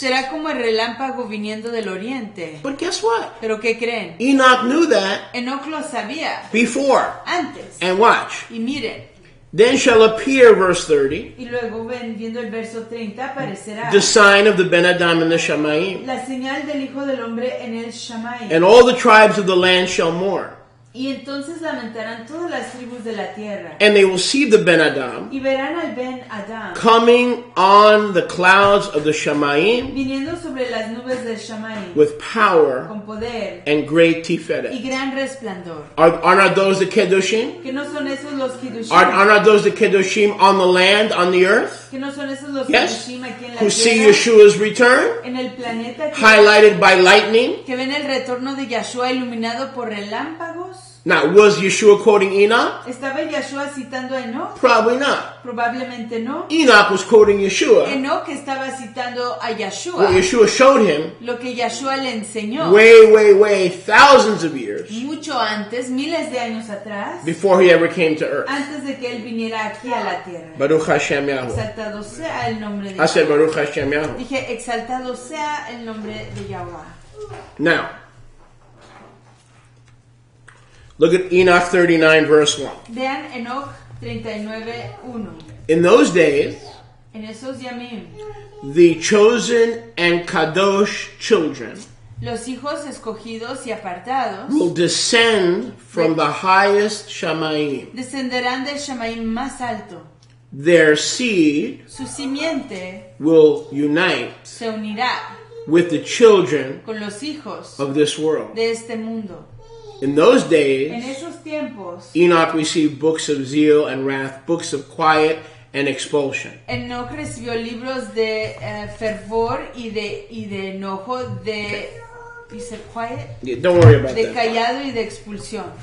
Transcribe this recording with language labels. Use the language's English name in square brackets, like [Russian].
[Spanish] Será como el relámpago viniendo del oriente. [English] But guess what? [Spanish] Pero qué creen? [English] Enoch knew that. [Spanish] Enoch lo sabía. [English] Before. [Spanish] Antes. [English] And watch. [Spanish] Y miren. [English] Then shall appear, verse 30. [Spanish] Y luego viendo el verso 30 aparecerá. [English] The sign of the Ben Adam in the Shamayim. [Spanish] La señal del hijo del hombre en el Shamayim. [English] And all the tribes of the land shall mourn. [Spanish] Y entonces lamentarán todas las tribus de la tierra. [English] And they will see the Ben Adam. [Spanish] Y verán al Ben Adam. [English] Coming on the clouds of the Shamayim. [Spanish] Viniendo sobre las nubes del Shamayim. [English] With power. [Spanish] Con poder. [English] And great tiferet. [Spanish] Y gran resplandor. [English] Are not those the Kedushim? [Spanish] Que no son esos los Kedushim. [English] Are not those the Kedushim on the land, on the earth? [Spanish] Que no son esos los [English] yes? [Spanish] Kedushim aquí en la [English] who See Yeshua's return. [Spanish] En el planeta. [English] Highlighted by lightning. [Spanish] Que ven el retorno de Yeshua iluminado por relámpagos. [English] Now, was Yeshua quoting Enoch? [Spanish] ¿Estaba Yeshua citando a Enoch? [English] Probably not. [Spanish] Probablemente no. [English] Enoch was quoting Yeshua. [Spanish] Enoch estaba citando a Yeshua. [English] What Yeshua showed him. [Spanish] Lo que Yeshua le enseñó. [English] Way, way, way, thousands of years. [Spanish] Mucho antes, miles de años atrás. [English] Before he ever came to earth. [Spanish] Antes de que él viniera aquí a la tierra. [Hebrew] Baruch Hashem Yahweh. [Spanish] Exaltado sea el nombre de Yahweh. [English] I said [Hebrew] Baruch Hashem Yahweh. [Spanish] Dije, exaltado sea el nombre de Yahweh. [English] Now. Look at Enoch 39, verse 1. [Spanish] Vean Enoch 39, 1. [English] In those days, [Spanish] en esos yamim, [English] the chosen and kadosh children, [Spanish] los hijos escogidos y apartados, [English] will descend from the highest Shamayim. [Spanish] Descenderán del Shamayim más alto. [English] Their seed, [Spanish] su simiente, [English] will unite, [Spanish] se unirá, [English] with the children, [Spanish] con los hijos, [English] of this world. [Spanish] De este mundo. [English] In those days, [Spanish] en esos tiempos, [English] Enoch received books of zeal and wrath, books of quiet and expulsion. [Spanish] Enoch recibió libros de fervor y de enojo de okay. [English] Is it quiet? Yeah, don't worry about [Spanish] de [English] that. [Spanish] De callado y de expulsión.